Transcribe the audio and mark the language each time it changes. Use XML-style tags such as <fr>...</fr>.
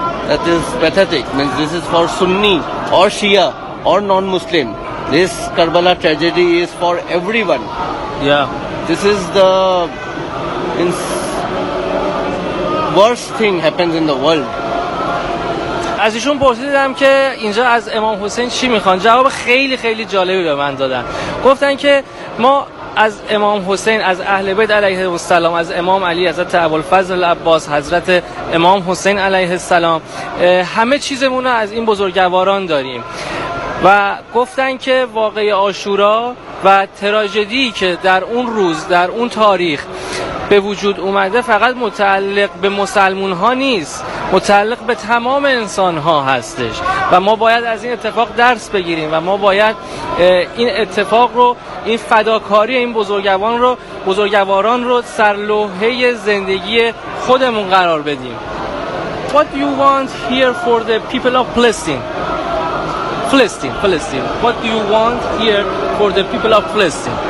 <en>that is pathetic. Means this is for Sunni or Shia or non-Muslim. This Karbala tragedy is for everyone. Yeah, this is the worst thing happens in the world.</en> <fa>از ایشون پرسیدم که اینجا از امام حسین چی میخوان. جواب خیلی خیلی جالبی به من دادن. گفتن که ما از امام حسین، از اهل بیت علیه السلام، از امام علی، از حضرت ابوالفضل عباس، حضرت امام حسین علیه السلام، همه چیزمون رو از این بزرگواران داریم. و گفتن که واقعه عاشورا و تراژدی که در اون روز، در اون تاریخ به وجود اومده فقط متعلق به مسلمون ها نیست، متعلق به تمام انسان ها هستش و ما باید از این اتفاق درس بگیریم و ما باید این اتفاق رو، این فداکاری این بزرگواران رو، بزرگواران رو سر لوحه زندگی خودمون قرار بدیم.</fa> <en>What do you want here for the people of Palestine? What do you want here for the people of Palestine?</en>